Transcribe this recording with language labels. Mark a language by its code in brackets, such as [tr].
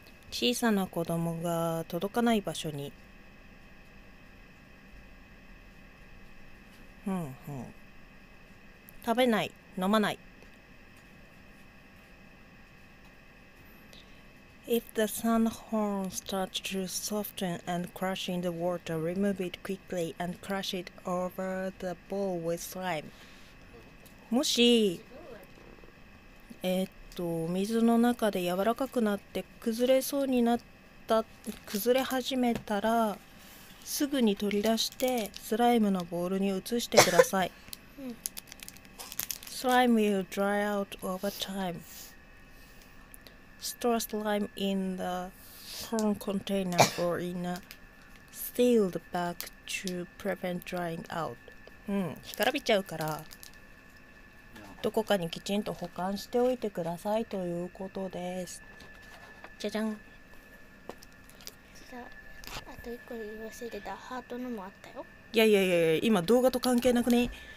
[ja] 小さな子供が届かない場所に、ふんふん、食べない、飲まない。 [en] If the sun horn starts to soften and crush in the water, remove it quickly and crush it over the bowl with slime. [ja] もし、水の中で柔らかくなって崩れそうになった、崩れ始めたらすぐに取り出してスライムのボウルに移してください。 [en] Slime will dry out over time. Store slime in the corn container or in a sealed bag to prevent drying out. [ja] うん、干からびちゃうから、どこかにきちんと保管しておいてくださいということです。じゃじゃん。さあ、あと一個言い忘れてた、ハートのもあったよ。いやいやいやいや、今動画と関係なくね。